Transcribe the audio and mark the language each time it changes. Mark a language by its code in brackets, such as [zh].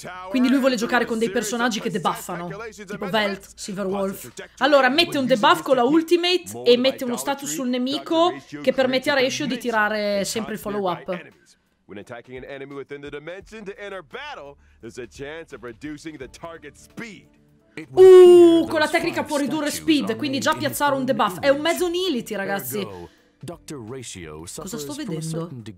[it] Quindi lui vuole giocare con dei personaggi che debuffano, tipo Velt, Silverwolf. Allora, mette un debuff con la ultimate e mette uno status sul nemico che permette a Ratio di tirare sempre il follow-up. [en] When attacking an enemy within the dimension to enter battle, there's a chance of reducing the target's speed. [it] Con la tecnica può ridurre speed, quindi già piazzare un debuff. È un mezzo nility, ragazzi. Dr. Ratio, cosa sto vedendo?